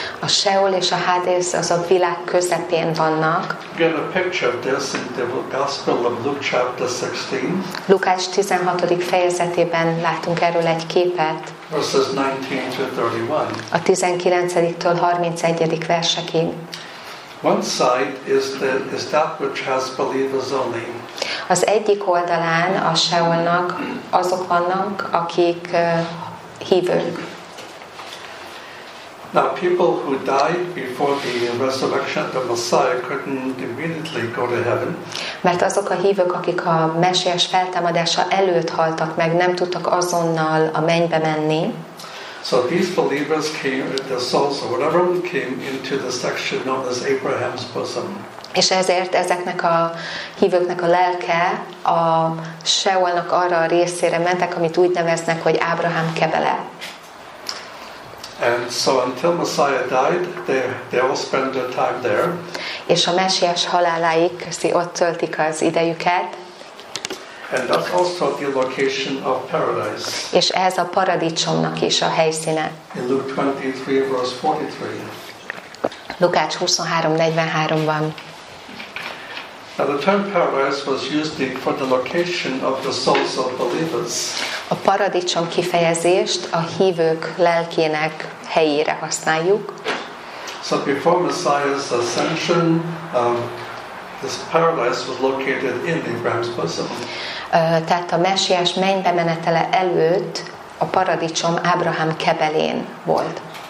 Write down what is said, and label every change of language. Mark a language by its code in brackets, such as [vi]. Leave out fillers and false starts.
[hu] A Sheol és a Hades az a világ közepén vannak. [en] Get a picture of this in the Gospel of Luke chapter 16. [hu] Lukács 16. fejezetében látunk erről egy képet. [en] Verses 19-31. [hu] A 19-től 31. versekig. [en] One side is that which has believers only. [hu] Az egyik oldalán a Sheolnak azok vannak, akik hívők. [en] Now people who died before the resurrection of the Messiah couldn't immediately go to heaven. [hu] Mert azok a hívők, akik a Mesiás feltámadása előtt haltak meg, nem tudtak azonnal a mennybe menni. [en] So these believers came, their souls or whatever came into the section known as Abraham's bosom. [hu] És ezért ezeknek a hívőknek a lelke a Sheolnak arra a részére mentek, amit úgy neveznek, hogy Ábrahám kebele. [en] And so until Messiah died, they all spend their time there. [hu] És a Mesiás haláláig ott töltik az idejüket. [en] And that's also the location of paradise. [hu] És ez a paradicsomnak is a helyszíne. [en] In Luke 23, verse 43. [hu] Lukács 23:43-ban. [en] Now the term paradise was used for the location of the souls of believers. [hu] A paradicsom kifejezést a hívők lelkének helyére használjuk. [en] So before Messiah's ascension, this paradise was located in Abraham's bosom. [hu] Tehát a Mesiás mennybe menetele előtt a paradicsom Ábrahám kebelén volt.